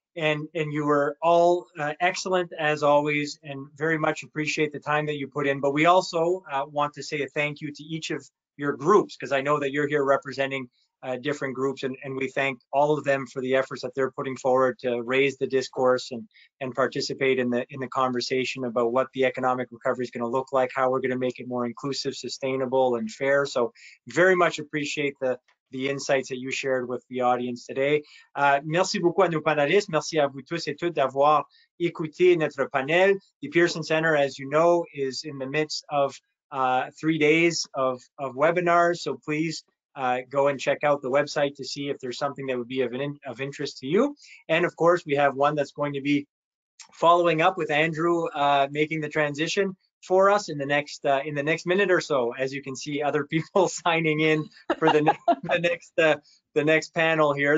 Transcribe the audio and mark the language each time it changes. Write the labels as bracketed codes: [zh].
[en] And you were all excellent as always, and very much appreciate the time that you put in. But we also want to say a thank you to each of your groups, because I know that you're here representing different groups, and we thank all of them for the efforts that they're putting forward to raise the discourse and participate in the conversation about what the economic recovery is going to look like, how we're going to make it more inclusive, sustainable, and fair. So very much appreciate the insights that you shared with the audience today. [fr] Merci beaucoup à nos panélistes. Merci à vous tous et toutes d'avoir écouté notre panel. [en] The Pearson Center, as you know, is in the midst of 3 days of webinars. So please go and check out the website to see if there's something that would be of interest to you. And of course, we have one that's going to be following up with Andrew making the transition for us in the next minute or so, as you can see other people signing in for the next panel here.